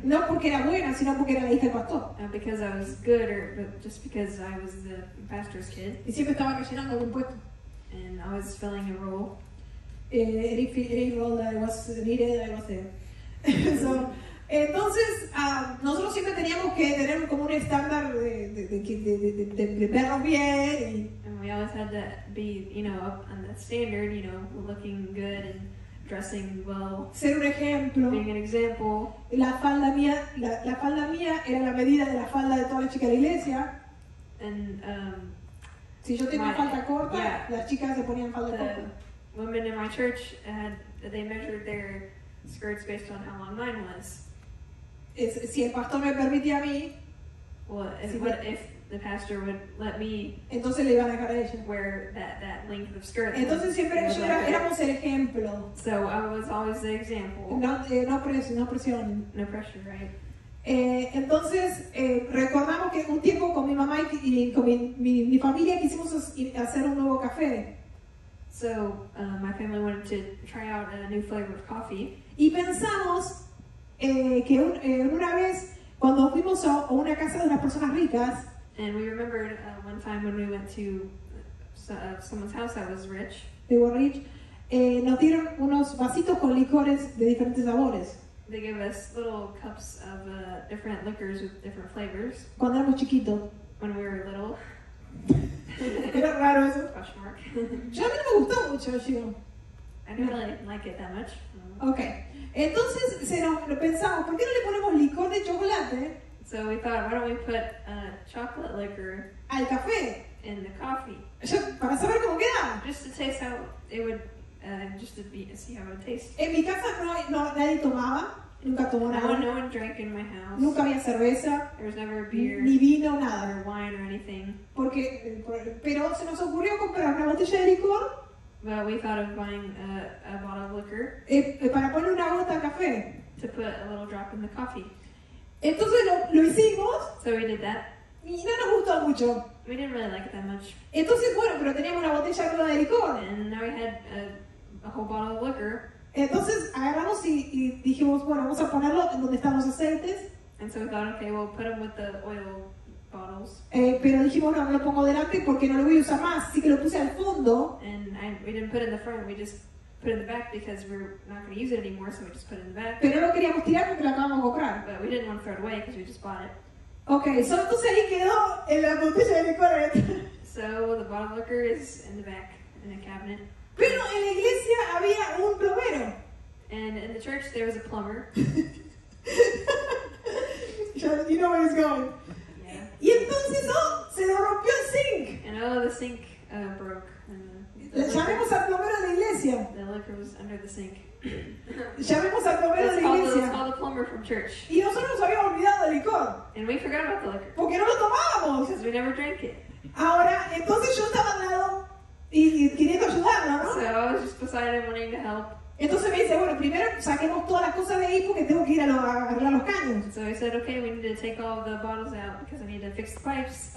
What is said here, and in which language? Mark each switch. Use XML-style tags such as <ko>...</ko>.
<es>No porque era buena, sino porque era la hija del pastor.</es> <en>Not because I was good, but just because I was the pastor's kid.</en> <es>Y siempre estaba llenando algún puesto.</es> <en>And I was filling a role. Any role that I was needed, I was there.</en> <es>So, entonces, nosotros siempre teníamos que tener como un estándar de perros bien.</es> <en>And we always had to be, you know, up on that standard, you know, looking good and dressing well,</en> <es>ser un ejemplo,</es> <en>being an example.</en> <es>La falda mía era la medida de la falda de toda la chica de la iglesia.</es> <en>And</en> <es>si yo tenía falda corta, yeah, las chicas se ponían falda corta.</es> <en>Women in my church had, they measured their skirts based on how long mine was.</en> <es>Si el pastor me permitía a mí,</es> <en>if the pastor would let me,</en> <es>entonces le iban a dejar a ella</es> <en>wear that length of skirt.</en> <es>Entonces siempre yo era, éramos el ejemplo.</es> <en>So I was always the example.</en> <es>No presión,</es> <en>right?</en> <es>Entonces recordamos que un tiempo con mi mamá y con mi familia quisimos hacer un nuevo café.</es> <en>So my family wanted to try out a new flavor of coffee.</en> <es>Y pensamos que una vez cuando fuimos a una casa de unas personas ricas.</es> <en>And we remembered one time when we went to someone's house that was rich. They were rich.</en> <es>Nos dieron unos vasitos con licores de diferentes sabores.</es> <en>They gave us little cups of different liquors with different flavors.</en> <es>Cuando éramos chiquitos.</es> <en>When we were little.</en> <es>Era raro eso.</es> <en>Question mark.</en> <es>Yo a mí no me gustó mucho, yo.</es> <en>I didn't really like it that much. Okay.</en> <es>Entonces pensamos, ¿por qué no le ponemos licor de chocolate?</es> <en>So we thought, why don't we put chocolate liquor</en> <es>al café</es> <en>in the coffee?</en> <es>Yo, para saber cómo queda.</es> <en>Just to taste how it would, just to be, see how it would taste.</en> <es>En mi casa no nadie tomaba, nunca tomó nada.</es> <en>No one drank in my house.</en> <es>Nunca había cerveza.</es> <en>There was never a beer.</en> <es>Ni vino, nada.</es> <en>Or wine or anything.</en> <es>Porque, pero se nos ocurrió comprar una botella de licor.</es> <en>But we thought of buying a bottle of liquor.</en> <es>Para poner una gota al café.</es> <en>To put a little drop in the coffee.</en> <es>Entonces lo hicimos.</es> <en>So we did that.</en> <es>Y no nos gustó mucho.</es> <en>We didn't really like it that much.</en> <es>Entonces bueno, pero teníamos una botella nueva de licor.</es> <en>And now we had a whole bottle of liquor.</en> <es>Entonces agarramos y dijimos, bueno, vamos a ponerlo en donde están los aceites.</es> <en>And so we thought, okay, we'll put them with the oil bottles.</en> <es>Pero dijimos, no, lo pongo delante porque no lo voy a usar más, así que lo puse al fondo.</es> <en>And we didn't put it in the front, we just put it in the back because we're not going to use it anymore, so we just put it in the back.</en> <es>Pero no queríamos tirar porque lo acabamos de comprar.</es> <en>But we didn't want to throw it away because we just bought it.</en> <es>Okay, so entonces ahí quedó en la botella de licor.</es> <en>So the bottle liquor is in the back, in the cabinet.</en> <es>Pero en la iglesia había un plomero.</es> <en>And in the church there was a plumber. You know where it's going. Yeah.</en> <es>Y entonces, oh, se lo rompió el sink.</es> <en>And oh, the sink broke.</en> <es>Llamemos al plomero de la iglesia.</es> <en>The liquor was under the sink.</en> <es>Llamemos al plomero de la iglesia.</es> <en>Let's call the plumber from church.</en> <es>Y nosotros nos habíamos olvidado del licor.</es> <en>And we forgot about the liquor.</en> <es>Porque no lo tomábamos.</es> <en>Because we never drank it.</en> <es>Ahora, entonces yo estaba al lado y queriendo ayudarla, ¿no?</es> <en>So I was just beside him wanting to help.</en> <es>Entonces me dice, bueno, primero saquemos todas las cosas de ahí porque tengo que ir a agarrar los caños.</es> <en>So I said, okay, we need to take all the bottles out because I need to fix the pipes.</en>